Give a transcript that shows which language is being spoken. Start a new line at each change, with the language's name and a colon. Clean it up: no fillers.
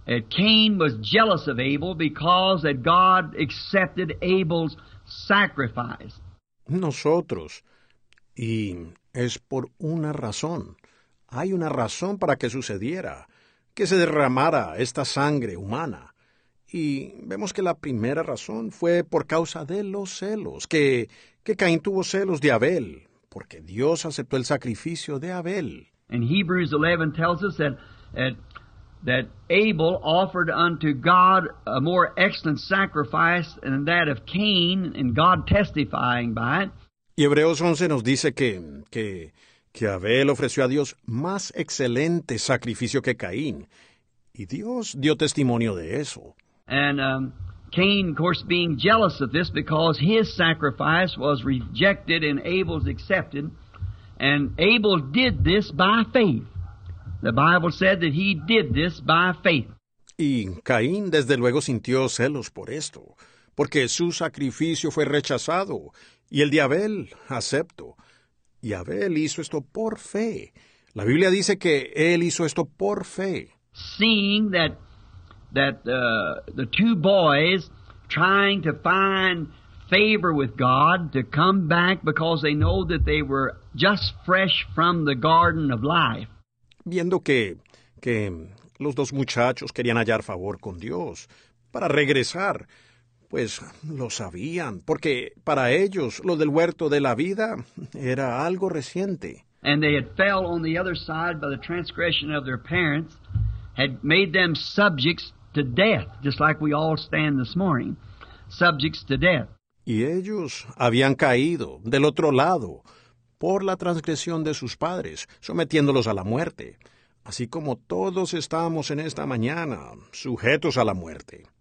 English: Cain was jealous of Abel because that God accepted Abel's sacrifice.
Spanish: Nosotros, y es por una razón, hay una razón para que sucediera, que se derramara esta sangre humana. Y vemos que la primera razón fue por causa de los celos, que Caín tuvo celos de Abel, porque Dios aceptó el sacrificio de Abel.
English: And Hebrews 11 tells us that Abel offered unto God a more excellent sacrifice than that of Cain, and God testifying by it.
Spanish: Y Hebreos 11 nos dice que Abel ofreció a Dios más excelente sacrificio que Caín, y Dios dio testimonio de eso.
English: And Cain, of course, being jealous of this because his sacrifice was rejected and Abel's accepted. And Abel did this by faith. The Bible said that he did this by faith.
Spanish: Y Caín, desde luego, sintió celos por esto, porque su sacrificio fue rechazado y el de Abel aceptó. Y Abel hizo esto por fe. La Biblia dice que él hizo esto por fe.
English: Seeing that the two boys trying to find favor with God to come back because they know that they were just fresh from the garden of life.
Spanish: Viendo que los dos muchachos querían hallar favor con Dios para regresar, pues lo sabían, porque para ellos lo del huerto de la vida era algo reciente.
English: And they had fell on the other side by the transgression of their parents, had made them subjects to death, just like we all stand this morning, subjects to death.
Spanish: Y ellos habían caído del otro lado por la transgresión de sus padres, sometiéndolos a la muerte, así como todos estamos en esta mañana sujetos a la muerte.